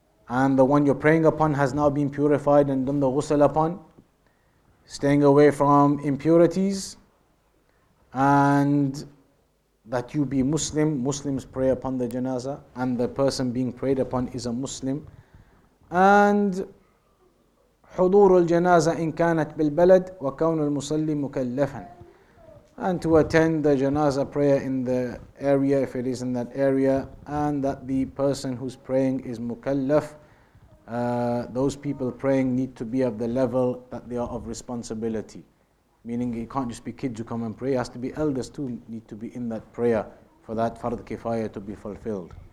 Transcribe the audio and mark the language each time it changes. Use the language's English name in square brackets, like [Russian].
[English] and the one you're praying upon has now been purified and done the ghusl upon, staying away from impurities, and that you be Muslim, Muslims pray upon the janazah, and the person being prayed upon is a Muslim, [Arabic] and حضور الجنازة إن كانت بالبلد وكون المصلي مكلفا. [English] And to attend the janazah prayer in the area, if it is in that area, and that the person who's praying is mukallaf, those people praying need to be of the level that they are of responsibility. Meaning it can't just be kids who come and pray, it has to be elders too need to be in that prayer for that fard kifaya to be fulfilled.